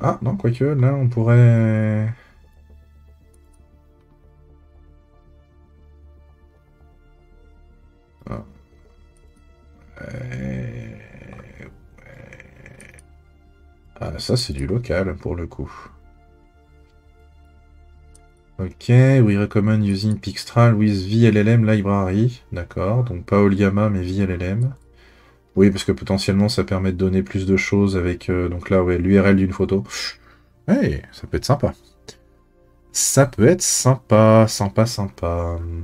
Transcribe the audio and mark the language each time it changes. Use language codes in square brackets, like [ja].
[fr] Ah, non, quoique, là, on pourrait... Ouais. Ah, ça, c'est du local, pour le coup. [en] Ok, we recommend using Pixtral with VLLM library. [fr] D'accord, donc pas Olyama, mais VLLM. Oui, parce que potentiellement, ça permet de donner plus de choses avec... donc là, ouais, l'URL d'une photo. Hey, ça peut être sympa. Ça peut être sympa, sympa, sympa.